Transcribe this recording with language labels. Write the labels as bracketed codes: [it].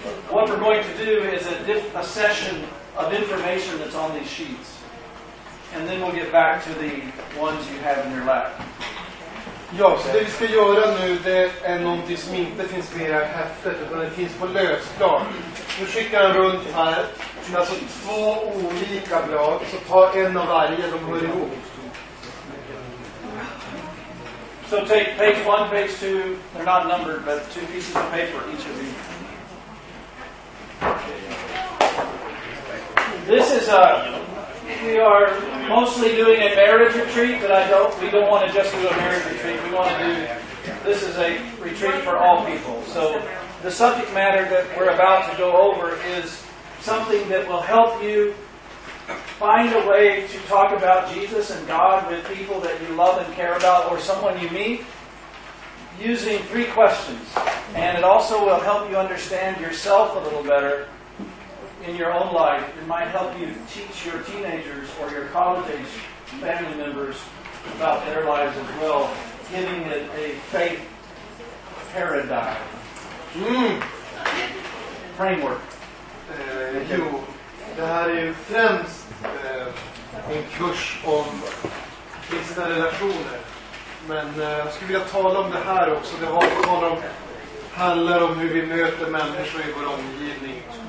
[en] What we're going to do is a session of information that's on these sheets. And then we'll get back to the ones you have in your lap. [sv] Ja, så det vi ska göra nu, det är någonting som inte finns med i det här häftet, utan det finns på lösblad. Nu skickar jag runt här, alltså två olika blad, så ta en av varje, de hör ihop. [en] So take page one, page two, they're not numbered, but two pieces of paper, each of you. This is a... We are mostly doing a marriage retreat, but we don't want to just do a marriage retreat. We want to do, this is a retreat for all people. So the subject matter that we're about to go over is something that will help you find a way to talk about Jesus and God with people that you love and care about or someone you meet using three questions. And it also will help you understand yourself a little better in your own life. It might help you teach your teenagers or your college-age family members about their lives as well, giving it a faith paradigm. Framework. [sv] Jo, det här är ju främst en kurs om kristna relationer. Men jag skulle vilja tala om det här också. Det handlar om hur vi möter människor i vår omgivning.